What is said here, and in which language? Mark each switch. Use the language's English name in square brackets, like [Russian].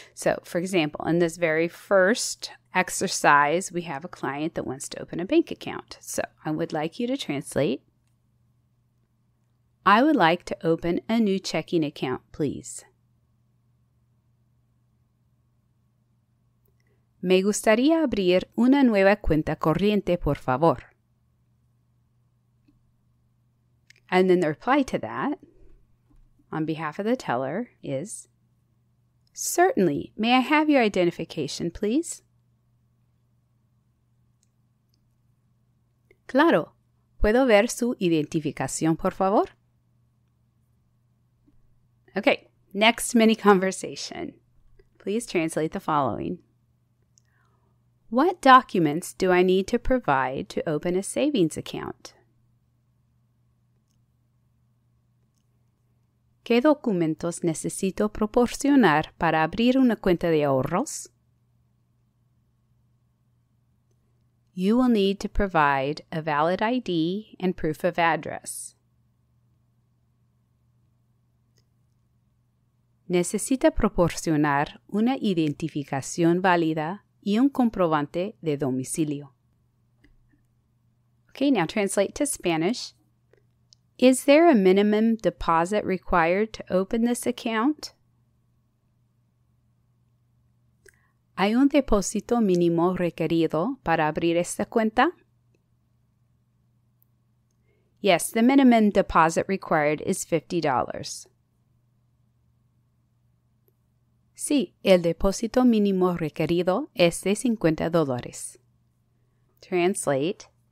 [English] So for example, in this very first exercise, we have a client that wants to open a bank account. So I would like you to translate. I would like to open a new checking account, please. [Spanish] Me gustaría abrir una nueva cuenta corriente, por favor. [English] And then the reply to that, on behalf of the teller, is, certainly, may I have your identification, please? [Spanish] Claro, ¿puedo ver su identificación, por favor? [English] Okay, next mini conversation. Please translate the following. What documents do I need to provide to open a savings account? [Spanish] ¿Qué documentos necesito proporcionar para abrir una cuenta de ahorros? [English] You will need to provide a valid ID and proof of address. [Spanish] Necesita proporcionar una identificación válida y un comprobante de domicilio. [English] Okay, now translate to Spanish. Is there a minimum deposit required to open this account? [Spanish] ¿Hay un depósito mínimo requerido para abrir esta cuenta? [English] Yes, the minimum deposit required is $50. [Spanish] Sí, el depósito mínimo requerido es de $50. [English] Translate.